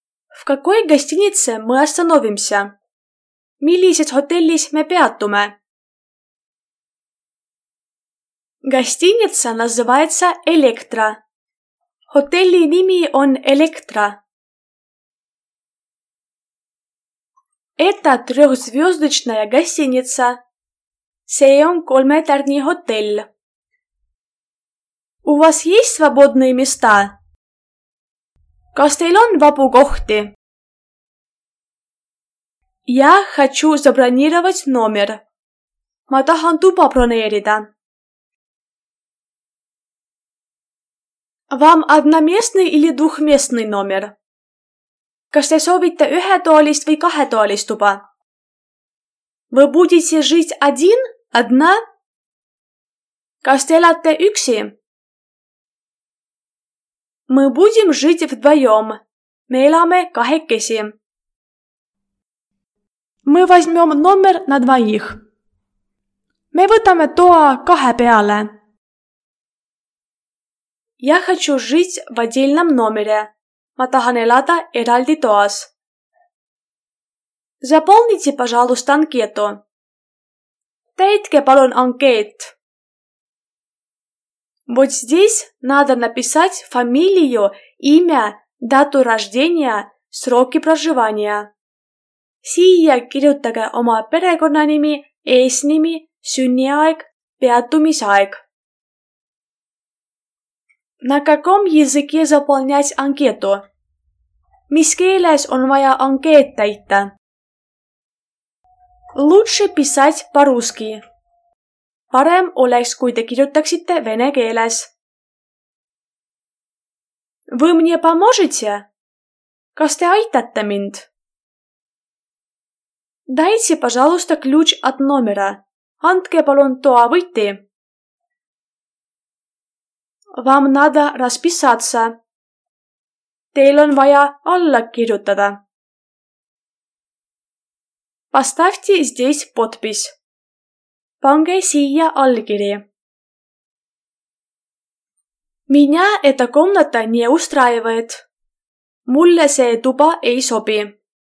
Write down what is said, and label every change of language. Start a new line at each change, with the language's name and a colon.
Russian: В какой гостинице мы остановимся?
Estonian: Millises hotellis me peatume?
Russian: Гостиница называется Электро.
Estonian: Hotelli nimi on Электро.
Russian: Это трехзвездочная гостиница.
Estonian: See on kolmetärni hotell.
Russian: У вас есть свободные места?
Estonian: Kas teil on vabu kohti?
Russian: Я хочу забронировать номер.
Estonian: Ma tahan tuba broneerida.
Russian: Вам одноместный или двухместный номер?
Estonian: Kas te soovite ühetoalist või kahetoalist tuba?
Russian: Вы будете жить один, одна?
Estonian: Kas te elate üksi?
Russian: Мы будем жить вдвоем.
Estonian: Me elame kahekesi.
Russian: Мы возьмем номер на двоих.
Estonian: Me võtame toa kahe peale.
Russian: Я хочу жить в отдельном номере.
Estonian: Ma tahan elada eraldi toas.
Russian: Заполните, пожалуйста, анкету.
Estonian: Täitke, palun, ankeet.
Russian: Вот здесь надо написать фамилию, имя, дату рождения, сроки проживания.
Estonian: Siia kirjutage oma perekonnanimi, eesnimi, sünniaeg, peatumisaeg.
Russian: На каком языке заполнять анкету?
Estonian: Mis keeles on vaja ankeet täita?
Russian: Лучше писать по-русски.
Estonian: Parem oleks, kui te kirjutaksite vene keeles.
Russian: Вы мне поможете?
Estonian: Kas te aitate mind?
Russian: Дайте, пожалуйста, ключ от номера.
Estonian: Andke palun toa võti.
Russian: Вам надо расписаться.
Estonian: Teil on vaja alla kirjutada.
Russian: Поставьте здесь подпись.
Estonian: Pange siia allkiri.
Russian: Меня эта комната не устраивает.
Estonian: Mulle see tuba ei sobi.